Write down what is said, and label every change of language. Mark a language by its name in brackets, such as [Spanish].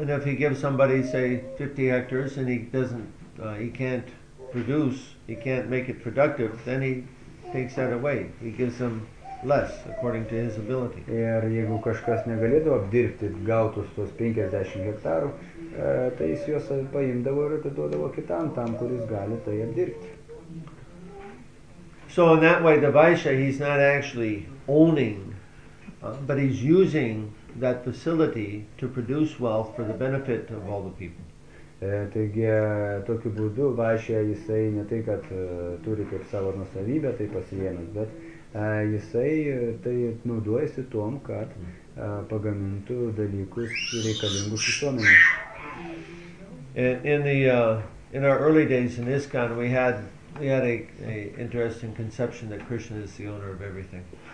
[English] And if he gives somebody, say, 50 hectares and he doesn't, he can't produce, he can't make it productive, then he takes that away. He gives them less according to his ability. [Lithuanian] Ir jeigu kažkas negalėdavo apdirbti gautus tos 50 hektarų, tai jis juos paimdavo ir atiduodavo kitam, tam, kuris gali tai apdirbti. [English] So in that way, the Vaishya, he's not actually owning, but he's using that facility to produce wealth for the benefit of all the people. [Lithuanian] Taigi, tokiu būdu Vaishya, jisai ne tai, kad turi kaip savo nuosavybę, tai pasienas, bet jisai tai naudojasi tom, kad pagamintų dalykus reikalingus visuomenės. [English] In our early days in ISKCON, we had a interesting conception that Krishna is the owner of everything.